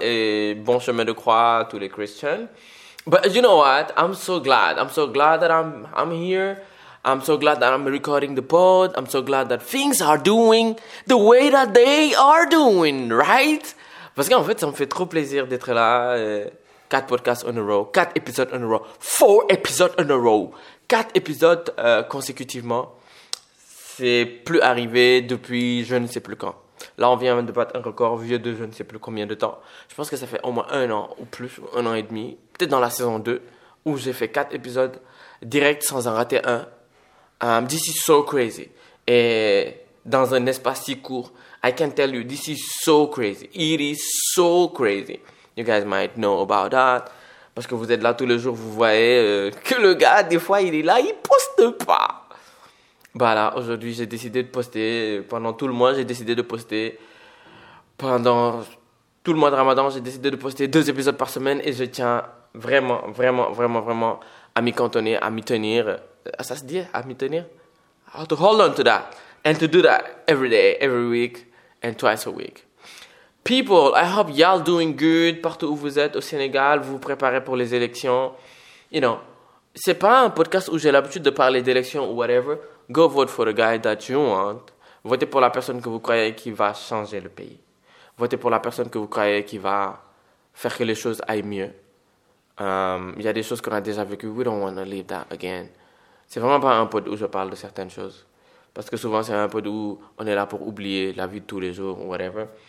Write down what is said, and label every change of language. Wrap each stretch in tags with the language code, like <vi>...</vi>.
<fr>Et bon chemin de croix à tous les Christians.</fr> <en>But you know what? I'm so glad that I'm here. I'm so glad that I'm recording the pod. I'm so glad that things are doing the way that they are doing, right?</en> <fr>Parce qu'en fait, ça me fait trop plaisir d'être là.</fr> <en>4 podcasts in a row,</en> <fr>4 épisodes</fr> <en>in a row,</en> <fr>4 épisodes in a row, 4 épisodes consécutivement. C'est plus arrivé depuis je ne sais plus quand. Là, on vient de battre un record vieux de je ne sais plus combien de temps. Je pense que ça fait au moins un an ou plus, ou un an et demi. Peut-être dans la saison 2, où j'ai fait 4 épisodes directs sans en rater un.</fr> <en>This is so crazy.</en> <fr>Et dans un espace si court,</fr> <en>I can tell you, this is so crazy. It is so crazy. You guys might know about that.</en> <fr>Parce que vous êtes là tous les jours, vous voyez que le gars, des fois, il est là, il poste pas. Voilà, aujourd'hui, j'ai décidé de poster. Pendant tout le mois, j'ai décidé de poster. Pendant tout le mois de Ramadan, j'ai décidé de poster 2 épisodes par semaine. Et je tiens vraiment à m'y cantonner, à m'y tenir. Ça se dit, à m'y tenir.</fr> <en>How to hold on to that. And to do that every day, every week, and twice a week. People, I hope y'all doing good</en> <fr>partout où vous êtes, au Sénégal, vous vous préparez pour les élections.</fr> <en>You know,</en> <fr>c'est pas un podcast où j'ai l'habitude de parler d'élections ou whatever.</fr> <en>Go vote for the guy that you want.</en> <fr>Votez pour la personne que vous croyez qui va changer le pays. Votez pour la personne que vous croyez qui va faire que les choses aillent mieux. Y a des choses qu'on a déjà vécues.</fr> <en>We don't want to live that again.</en> <fr>C'est vraiment pas un pod où je parle de certaines choses. Parce que souvent, c'est un pod où on est là pour oublier la vie de tous les jours, whatever.</fr>